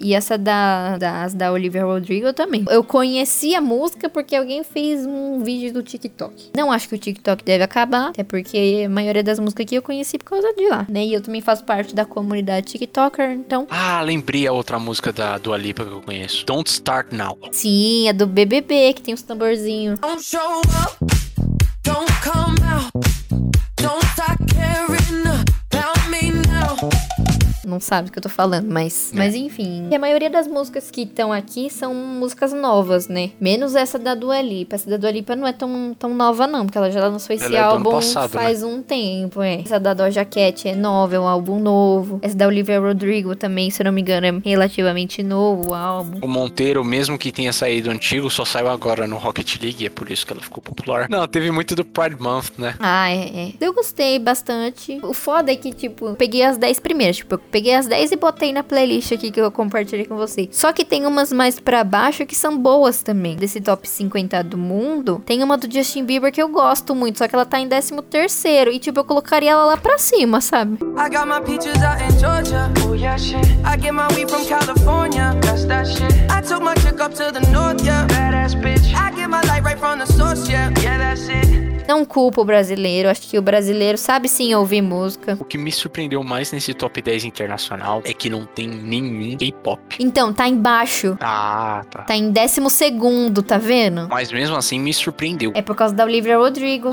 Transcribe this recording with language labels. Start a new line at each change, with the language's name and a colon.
Portuguese: E essa da Olivia Rodrigo também. Eu conheci a música porque alguém fez um vídeo do TikTok. Não acho que o TikTok deve acabar, até porque a maioria das músicas aqui eu conheci por causa de lá, né? E eu também faço parte da comunidade TikToker, então... Ah, lembrei a outra música da Dua Lipa que eu conheço.
English: Don't Start Now.
Portuguese: Sim, é do BBB, que tem os tamborzinhos.
English: Don't show up, don't come out, don't start caring about me now.
Portuguese: Não sabe o que eu tô falando, mas... É. Mas enfim... A maioria das músicas que estão aqui são músicas novas, né? Menos essa da Dua Lipa. Essa da Dua Lipa não é tão nova, não. Porque ela já lançou esse álbum passado, faz né? um tempo, é. Essa da Doja Cat é nova, é um álbum novo. Essa da Olivia Rodrigo também, se eu não me engano, é relativamente novo o álbum. O Monteiro, mesmo que tenha saído antigo, só saiu agora no Rocket League. É por isso que ela ficou popular. Não, teve muito do Pride Month, né? Ah, é. Eu gostei bastante. O foda é que, tipo, eu peguei as 10 primeiras, tipo... Peguei as 10 e botei na playlist aqui que eu compartilhei com você. Só que tem umas mais pra baixo que são boas também. Desse top 50 do mundo, tem uma do Justin Bieber que eu gosto muito. Só que ela tá em 13º. E tipo, eu colocaria ela lá pra cima, sabe?
English: I got my peaches out in Georgia. Oh yeah, shit. I get my weed from California. That's that shit. I took my chick up to the north, yeah. Badass bitch. I get my light right from the source, yeah. Yeah, that's it.
Portuguese: Não culpa o brasileiro, acho que o brasileiro sabe sim ouvir música. O que me surpreendeu mais nesse top 10 internacional é que não tem nenhum K-pop. Então, tá embaixo. Ah, tá. Tá em 12º, tá vendo? Mas mesmo assim me surpreendeu. É por causa da Olivia Rodrigo.